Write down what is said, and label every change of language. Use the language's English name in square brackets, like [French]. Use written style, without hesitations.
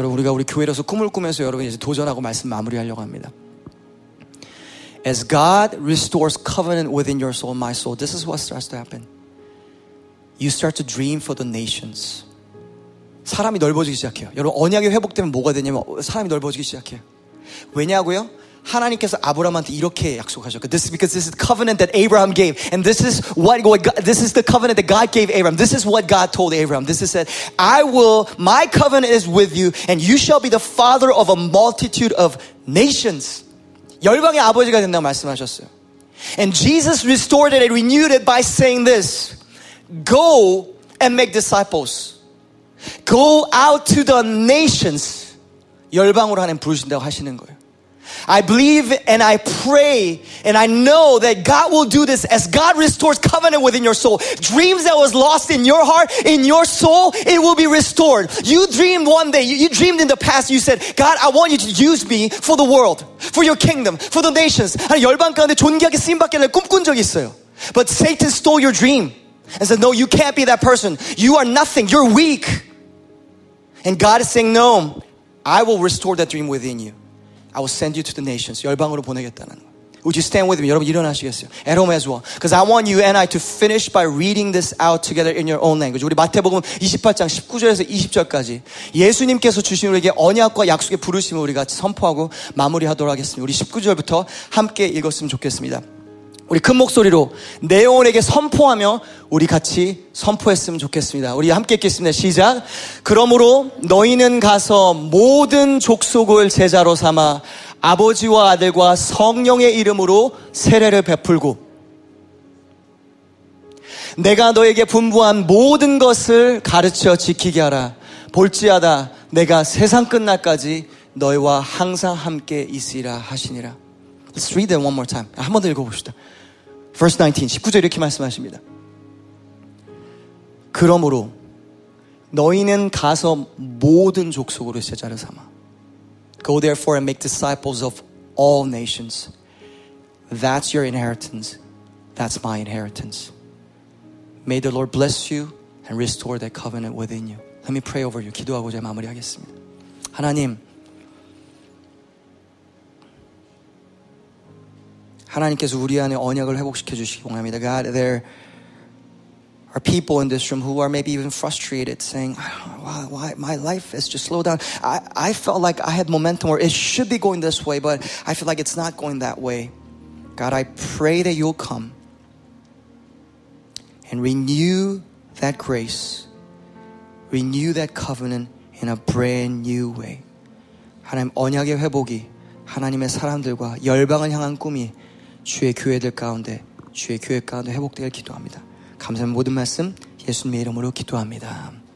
[Korean] 여러분, 우리가 우리 교회로서 꿈을 꾸면서 여러분 이제 도전하고 말씀 마무리하려고 합니다. [English] As God restores covenant within your soul, my soul, this is what starts to happen. You start to dream for the nations. [Korean] 사람이 넓어지기 시작해요. 여러분, 언약이 회복되면 뭐가 되냐면 사람이 넓어지기 시작해요. 왜냐고요? 하나님께서 아브라함한테 이렇게 약속하셨고, [English] this is because this is the covenant that Abraham gave, and this is what God, this is the covenant that God gave Abraham. This is what God told Abraham. This is that I will, my covenant is with you, and you shall be the father of a multitude of nations. [Korean] 열방의 아버지가 된다고 말씀하셨어요. [English] And Jesus restored it and renewed it by saying this: Go and make disciples. Go out to the nations. [Korean] 열방으로 하나님 부르신다고 하시는 거예요. [English] I believe and I pray and I know that God will do this as God restores covenant within your soul. Dreams that was lost in your heart, in your soul, it will be restored. You dreamed one day, you dreamed in the past, you said, God, I want you to use me for the world, for your kingdom, for the nations. [Korean] 아니, 열방 가운데 존귀하게 쓰임 받기를 꿈꾼 적이 있어요. [English] But Satan stole your dream and said, no, you can't be that person. You are nothing. You're weak. And God is saying, no, I will restore that dream within you. I will send you to the nations. [Korean] 열방으로 보내겠다는. [English] Would you stand with me? [Korean] 여러분 일어나시겠어요? [English] At home as well. Because I want you and I to finish by reading this out together in your own language. [Korean] 우리 마태복음 28장 19절에서 20절까지 예수님께서 주신 우리에게 언약과 약속의 부르심을 우리가 선포하고 마무리하도록 하겠습니다. 우리 19절부터 함께 읽었으면 좋겠습니다. 우리 큰 목소리로 내 영혼에게 선포하며 우리 같이 선포했으면 좋겠습니다. 우리 함께 읽겠습니다. 시작. 그러므로 너희는 가서 모든 족속을 제자로 삼아 아버지와 아들과 성령의 이름으로 세례를 베풀고 내가 너에게 분부한 모든 것을 가르쳐 지키게 하라. 볼지어다 내가 세상 끝날까지 너희와 항상 함께 있으리라 하시니라. [English] Let's read it one more time. [Korean] 한 번 더 읽어봅시다. [English] Verse 19, [Korean] 19절 이렇게 말씀하십니다. 그러므로 너희는 가서 모든 족속으로 제자를 삼아. [English] Go therefore and make disciples of all nations. That's your inheritance. That's my inheritance. May the Lord bless you and restore that covenant within you. Let me pray over you. [Korean] 기도하고자 마무리하겠습니다. 하나님. 하나님께서 우리 안에 언약을 회복시켜 주시기 원합니다. [English] God, there are people in this room who are maybe even frustrated saying, why my life is just slowed down. I felt like I had momentum or it should be going this way, but I feel like it's not going that way. God, I pray that you'll come and renew that grace, renew that covenant in a brand new way. [Korean] 하나님, 언약의 회복이 하나님의 사람들과 열방을 향한 꿈이 주의 교회들 가운데 주의 교회 가운데 회복되길 기도합니다. 감사한 모든 말씀 예수님의 이름으로 기도합니다.